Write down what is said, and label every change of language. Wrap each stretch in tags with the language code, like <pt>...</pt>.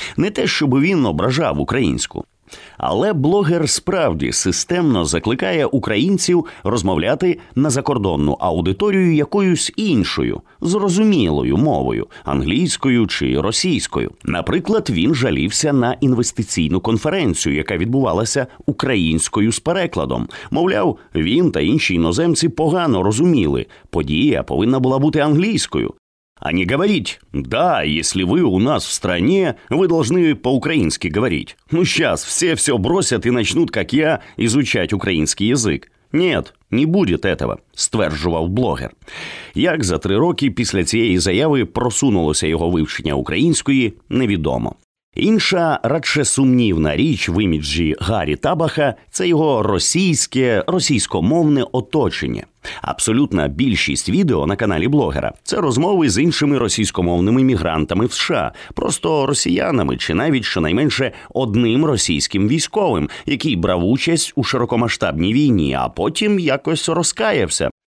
<uk>Не те, щоб він ображав українську. Але блогер справді системно закликає українців розмовляти на закордонну аудиторію якоюсь іншою, зрозумілою мовою – англійською чи російською. Наприклад, він жалівся на інвестиційну конференцію, яка відбувалася українською з перекладом. Мовляв, він та інші іноземці погано розуміли, подія повинна була бути англійською.</uk> <ru>А не говорить, да, если вы у нас в стране, вы должны по-украински говорить. Ну сейчас все бросят и начнут, как я, изучать украинский язык. Нет, не будет этого,</ru> <uk>стверджував блогер. Як за 3 роки після цієї заяви просунулося його вивчення української, невідомо. Інша, радше сумнівна річ в іміджі Гарі Табаха – це його російськомовне оточення. Абсолютна більшість відео на каналі блогера – це розмови з іншими російськомовними мігрантами в США, просто росіянами чи навіть щонайменше одним російським військовим, який брав участь у широкомасштабній війні, а потім якось розкаявся.</uk>